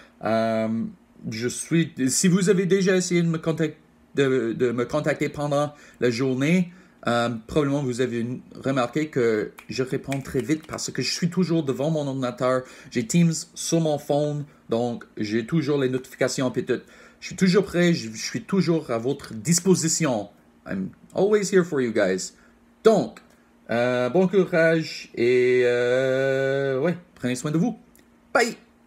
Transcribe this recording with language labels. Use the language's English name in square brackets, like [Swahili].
[French] Si vous avez déjà essayé de me contacter pendant la journée, Probablement, vous avez remarqué que je réponds très vite parce que je suis toujours devant mon ordinateur. J'ai Teams sur mon phone, donc j'ai toujours les notifications et tout. Je suis toujours prêt, je suis toujours à votre disposition. [English] I'm always here for you guys. [French] Donc, bon courage et ouais, prenez soin de vous. Bye!